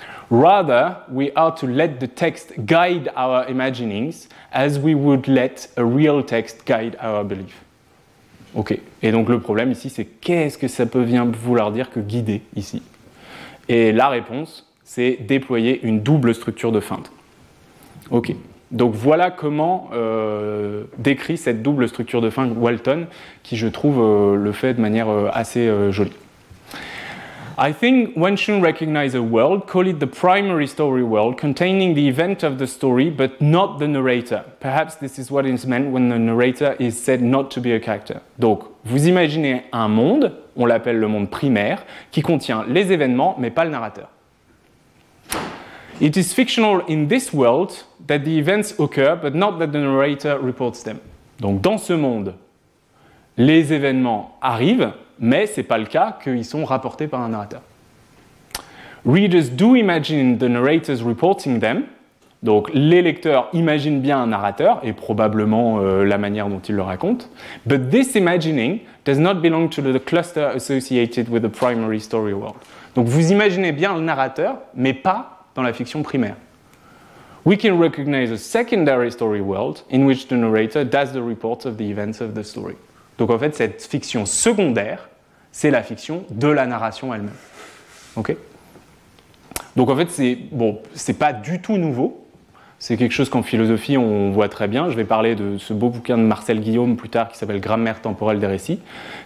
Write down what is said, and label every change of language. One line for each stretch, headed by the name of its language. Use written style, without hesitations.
English: Rather, we are to let the text guide our imaginings as we would let a real text guide our belief.
French: Ok, et donc le problème ici, c'est qu'est-ce que ça peut bien vouloir dire que guider ici? Et la réponse, c'est déployer une double structure de feinte. Ok, donc voilà comment décrit cette double structure de feinte Walton, qui je trouve le fait de manière assez jolie.
English: I think one should recognize a world, call it the primary story world, containing the event of the story, but not the narrator. Perhaps this is what is meant when the narrator is said not to be a character.
French: Donc, vous imaginez un monde, on l'appelle le monde primaire, qui contient les événements, mais pas le narrateur.
English: It is fictional in this world that the events occur, but not that the narrator reports them.
French: Donc, dans ce monde, les événements arrivent, mais ce n'est pas le cas qu'ils sont rapportés par un narrateur.
English: Readers do imagine the narrators reporting them.
French: Donc, les lecteurs imaginent bien un narrateur et probablement la manière dont ils le racontent.
English: But this imagining does not belong to the cluster associated with the primary story world.
French: Donc, vous imaginez bien le narrateur, mais pas dans la fiction primaire.
English: We can recognize a secondary story world in which the narrator does the report of the events of the story.
French: Donc en fait, cette fiction secondaire, c'est la fiction de la narration elle-même. Ok ? Donc en fait, c'est pas du tout nouveau. C'est quelque chose qu'en philosophie, on voit très bien. Je vais parler de ce beau bouquin de Marcel Guillaume plus tard qui s'appelle « Grammaire temporelle des récits ».